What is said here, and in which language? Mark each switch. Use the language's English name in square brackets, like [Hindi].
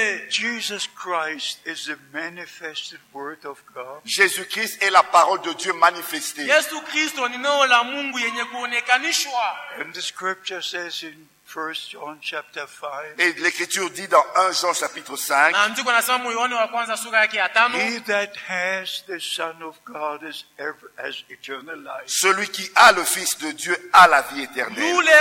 [English] Jesus Christ is the manifested word of God. [French] Jésus-Christ est la parole de Dieu manifestée. Jésus-Christ, on est la Mungu yenye kuonekanishwa. [English] And the scripture says in First John chapter 5. [French] Et l'Écriture dit dans 1 Jean chapitre 5. [English] He that has the Son of God has eternal life. [French] Celui qui a le Fils de Dieu a la vie éternelle.